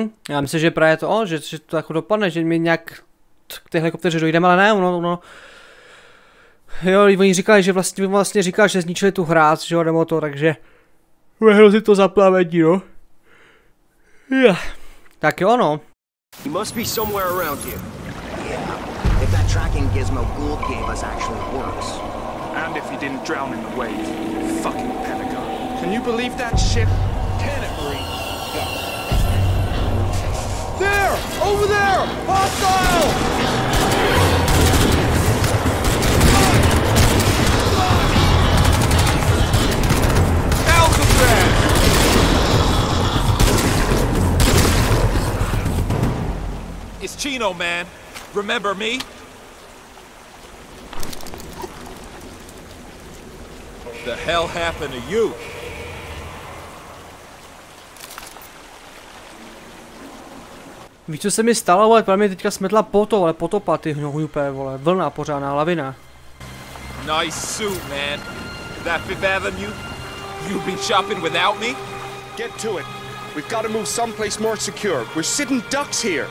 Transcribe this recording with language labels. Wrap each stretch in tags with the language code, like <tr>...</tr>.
<cs>Já myslím, že právě to, o, že to jako dopadne, že mi nějak k té helikopteře dojdeme, ale ne, ono, ono. Jo, oni říkali, že vlastně říkali, že zničili tu hráz, že jo, nebo to, takže bude hrozit to zaplavení, no. Ja. Tak jo, no.</cs> <en>You must be somewhere around here. Yeah. If that tracking gizmo Gould gave us actually works. And if he didn't drown in the wave, fucking Pentagon. Can you believe that shit? Can it breathe? There! Over there! Hostile! It's Chino, man. Remember me? The hell happened to you?</en> <cs>Víš, co se mi stalo, vole, právě mě teďka smetla potom, ale potopa ty hňuhňupé, vole, vlna pořádná, lavina.</cs> <en>Nice suit, man. That Fifth Avenue? You've been shopping without me? Get to it. We've got to move someplace more secure. We're sitting ducks here.</en>